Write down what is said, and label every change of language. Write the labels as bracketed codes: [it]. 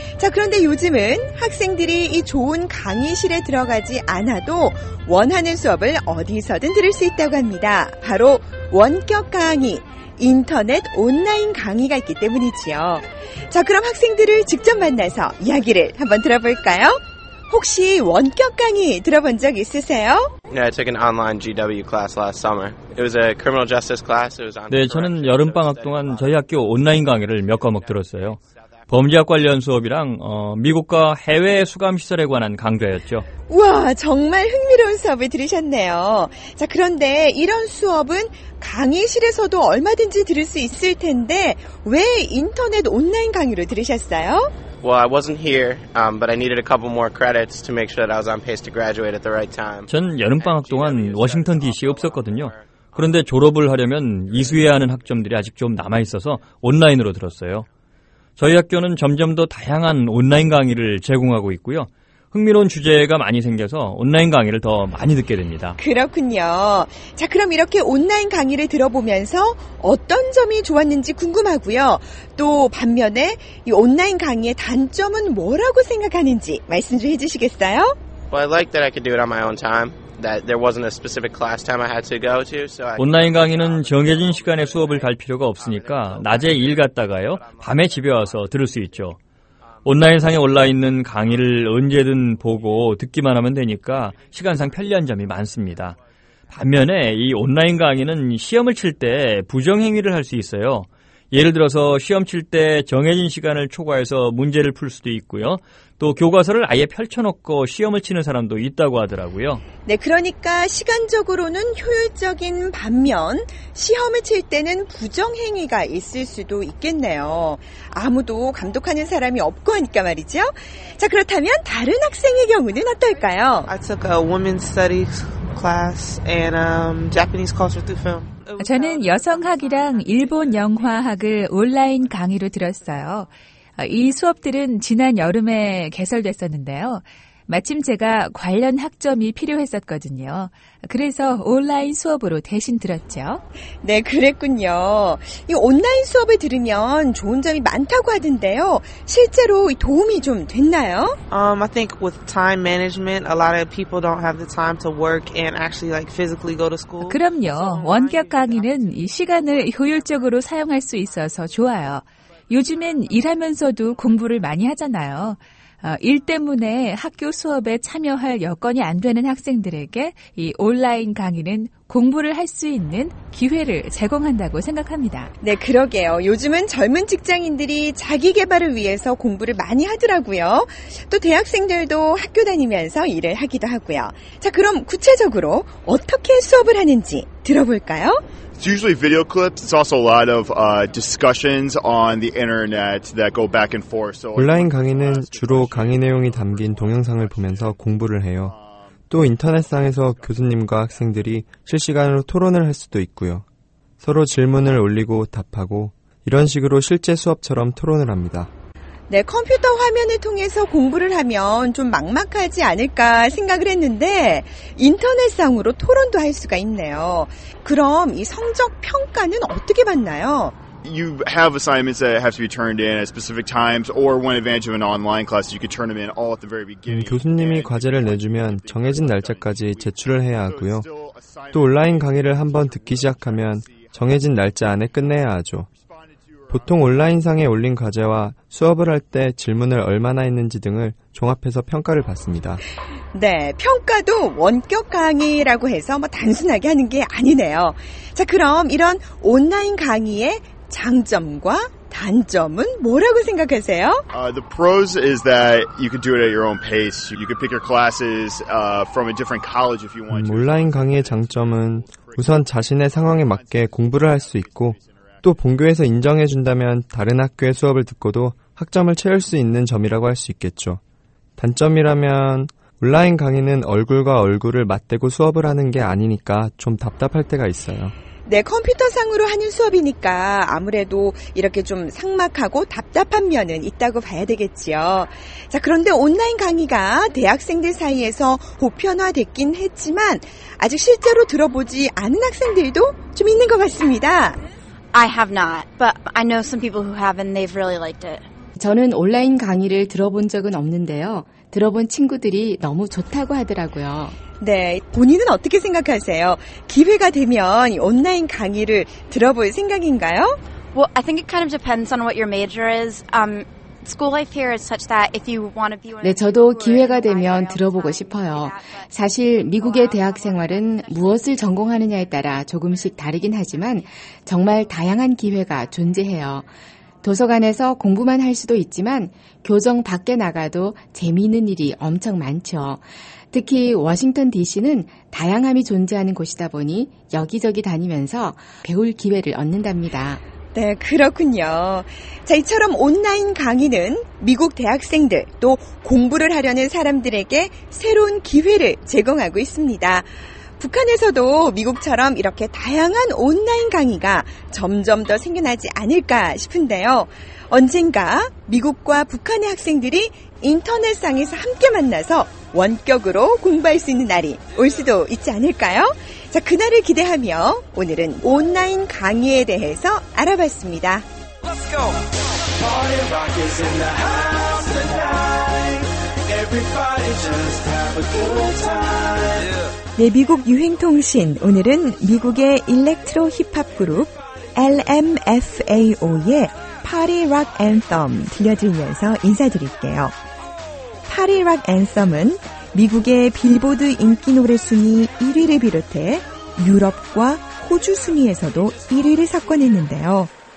[ko] 자, 그런데 요즘은 학생들이 이 좋은 강의실에 들어가지 않아도 원하는 수업을 어디서든 들을 수 있다고 합니다. 바로 원격 강의, 인터넷 온라인 강의가 있기 때문이지요. 자, 그럼 학생들을 직접 만나서 이야기를 한번 들어볼까요? 혹시 원격 강의 들어본 적 있으세요? [en] Yeah, I took an online GW class last summer. It was a criminal justice class. It was on. [ko] 네, 저는 여름 방학 동안 저희 학교 온라인 강의를 몇 과목 들었어요. 범죄학 관련 수업이랑 미국과 해외 수감시설에 관한 강좌였죠. 우와, 정말 흥미로운 수업을 들으셨네요. 자, 그런데 이런 수업은 강의실에서도 얼마든지 들을 수 있을 텐데 왜 인터넷 온라인 강의로 들으셨어요? [en] Well, I wasn't here, but I needed a couple more credits to make sure that I was on pace to graduate at the right time. [ko] 전 여름방학 동안 워싱턴 DC에 없었거든요. 그런데 졸업을 하려면 이수해야 하는 학점들이 아직 좀 남아있어서 온라인으로 들었어요. 저희 학교는 점점 더 다양한 온라인 강의를 제공하고 있고요. 흥미로운 주제가 많이 생겨서 온라인 강의를 더 많이 듣게 됩니다. 그렇군요. 자, 그럼 이렇게 온라인 강의를 들어보면서 어떤 점이 좋았는지 궁금하고요. 또 반면에 이 온라인 강의의 단점은 뭐라고 생각하는지 말씀 좀 해주시겠어요? [en] Well, I like that I could do it on my own time. That there wasn't a specific class time I had to go to. [ko] 온라인 강의는 정해진 시간에 수업을 갈 필요가 없으니까 낮에 일 갔다가요, 밤에 집에 와서 들을 수 있죠. 온라인상에 올라있는 강의를 언제든 보고 듣기만 하면 되니까 시간상 편리한 점이 많습니다. 반면에 이 온라인 강의는 시험을 칠 때 부정행위를 할 수 있어요. 예를 들어서 시험 칠 때 정해진 시간을 초과해서 문제를 풀 수도 있고요. 또 교과서를 아예 펼쳐놓고 시험을 치는 사람도 있다고 하더라고요. 네, 그러니까 시간적으로는 효율적인 반면 시험을 칠 때는 부정행위가 있을 수도 있겠네요. 아무도 감독하는 사람이 없고 하니까 말이죠. 자, 그렇다면 다른 학생의 경우는 어떨까요? [en] I took a women's studies class and Japanese culture through film. [ko] 저는 여성학이랑 일본 영화학을 온라인 강의로 들었어요. 이 수업들은 지난 여름에 개설됐었는데요. 마침 제가 관련 학점이 필요했었거든요. 그래서 온라인 수업으로 대신 들었죠. 네, 그랬군요. 이 온라인 수업을 들으면 좋은 점이 많다고 하던데요. 실제로 도움이 좀 됐나요? [en] I think with time management, a lot of people don't have the time to work and actually like physically go to school. [ko] 그럼요. 원격 강의는 이 시간을 효율적으로 사용할 수 있어서 좋아요. 요즘엔 일하면서도 공부를 많이 하잖아요. 일 때문에 학교 수업에 참여할 여건이 안 되는 학생들에게 이 온라인 강의는 공부를 할 수 있는 기회를 제공한다고 생각합니다. 네, 그러게요. 요즘은 젊은 직장인들이 자기 개발을 위해서 공부를 많이 하더라고요. 또 대학생들도 학교 다니면서 일을 하기도 하고요. 자, 그럼 구체적으로 어떻게 수업을 하는지 들어볼까요? [en] It's usually video clips. It's also a lot of discussions on the internet that go back and forth. [ko] 온라인 강의는 주로 강의 내용이 담긴 동영상을 보면서 공부를 해요. 또 인터넷상에서 교수님과 학생들이 실시간으로 토론을 할 수도 있고요. 서로 질문을 올리고 답하고 이런 식으로 실제 수업처럼 토론을 합니다. 네, 컴퓨터 화면을 통해서 공부를 하면 좀 막막하지 않을까 생각을 했는데 인터넷상으로 토론도 할 수가 있네요. 그럼 이 성적 평가는 어떻게 받나요? [en] You have assignments that have to be turned in at specific times or when advantage of an online class you could turn them in all at the very beginning. [ko] 교수님이 과제를 내주면 정해진 날짜까지 제출을 해야 하고요. 또 온라인 강의를 한번 듣기 시작하면 정해진 날짜 안에 끝내야 하죠. 보통 온라인상에 올린 과제와 수업을 할 때 질문을 얼마나 했는지 등을 종합해서 평가를 받습니다. 네, 평가도 원격 강의라고 해서 뭐 단순하게 하는 게 아니네요. 자, 그럼 이런 온라인 강의의 장점과 단점은 뭐라고 생각하세요? [en] The pros is that you can do it at your own pace. You can pick your classes from a different college if you want. [ko] 온라인 강의의 장점은 우선 자신의 상황에 맞게 공부를 할 수 있고 또 본교에서 인정해준다면 다른 학교의 수업을 듣고도 학점을 채울 수 있는 점이라고 할 수 있겠죠. 단점이라면 온라인 강의는 얼굴과 얼굴을 맞대고 수업을 하는 게 아니니까 좀 답답할 때가 있어요. 네, 컴퓨터상으로 하는 수업이니까 아무래도 이렇게 좀 삭막하고 답답한 면은 있다고 봐야 되겠지요. 자, 그런데 온라인 강의가 대학생들 사이에서 보편화됐긴 했지만 아직 실제로 들어보지 않은 학생들도 좀 있는 것 같습니다. [en] I have not, but I know some people who have and they've really liked it. [ko] 저는 온라인 강의를 들어본 적은 없는데요. 들어본 친구들이 너무 좋다고 하더라고요. 네, 본인은 어떻게 생각하세요? 기회가 되면 온라인 강의를 들어볼 생각인가요? [en] Well, I think it kind of depends on what your major is. School life here is such that if you want to be one. [ko] 네, 저도 기회가 되면 들어보고 싶어요. 사실 미국의 대학 생활은 무엇을 전공하느냐에 따라 조금씩 다르긴 하지만 정말 다양한 기회가 존재해요. 도서관에서 공부만 할 수도 있지만 교정 밖에 나가도 재미있는 일이 엄청 많죠. 특히 워싱턴 DC는 다양함이 존재하는 곳이다 보니 여기저기 다니면서 배울 기회를 얻는답니다. 네, 그렇군요. 자, 이처럼 온라인 강의는 미국 대학생들 또 공부를 하려는 사람들에게 새로운 기회를 제공하고 있습니다. 북한에서도 미국처럼 이렇게 다양한 온라인 강의가 점점 더 생겨나지 않을까 싶은데요. 언젠가 미국과 북한의 학생들이 인터넷상에서 함께 만나서 원격으로 공부할 수 있는 날이 올 수도 있지 않을까요? 자, 그날을 기대하며 오늘은 온라인 강의에 대해서 알아봤습니다. [en] Let's go! Party rock is in the house tonight. Everybody just have a good time. [ko] 네, 미국 유행통신. 오늘은 미국의 일렉트로 힙합 그룹 LMFAO의 Party Rock Anthem 들려드리면서 인사드릴게요. Party Rock Anthem은 미국의 빌보드 인기 노래 순위 1위를 비롯해 유럽과 호주 순위에서도 1위를 석권했는데요.